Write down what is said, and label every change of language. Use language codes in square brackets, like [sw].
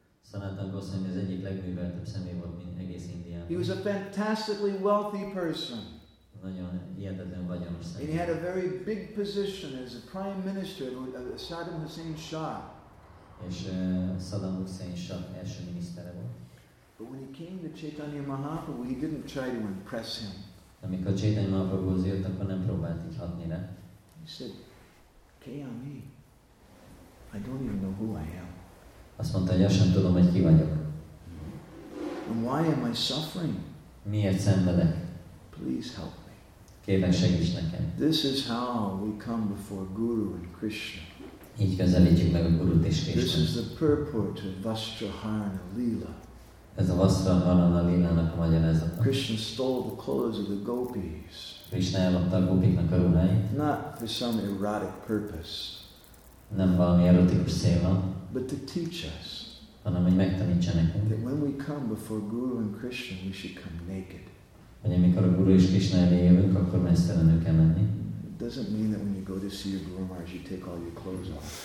[hu] Sanatana Goswami az egyik legműveltebb személy volt mint egész Indiában. [en] He was a fantastically wealthy person. [hu] Nagyon hihetetlen vagyonos személy. [en] And he had a very big position as a prime minister of Saddam Hussein Shah. [hu] És Saddam Hussein Shah első minisztere volt. [en] But when he came to Chaitanya Mahaprabhu, he didn't try to impress him. [hu] Amikor Chaitanya Mahaprabhu jött, akkor nem próbált így hatni rá. [en] He said, Kiyami, I don't even know who I am. [hu] Azt mondta, hogy sem tudom, hogy ki vagyok. [en] And why am I suffering? [hu] Miért szenvedek? [en] Please help me. [hu] Kérlek, segíts nekem. [en] This is how we come before Guru and Krishna. [hu] Így közelítjük meg a Gurut és Krishna. [en] This is the purport of Vastraharana Lila. [hu] Ez a Vastraharana Lilának a magyarázata. [en] Krishna stole the clothes of the gopis. [hu] Krishna elvette a gopiknak a ruháit. [en] Not for some erotic purpose. [hu] Nem valami erotikus célra, [en] but to teach us, [hu] hanem hogy megtanítsa nekünk, [en] that when we come before Guru and Krishna, we should come naked. [hu] Hogy amikor a Guru és Krishna elé jövünk, akkor mesztelenül kell menni. [en] doesn't mean that when you go to see your Guru Maharaj, you take all your clothes off.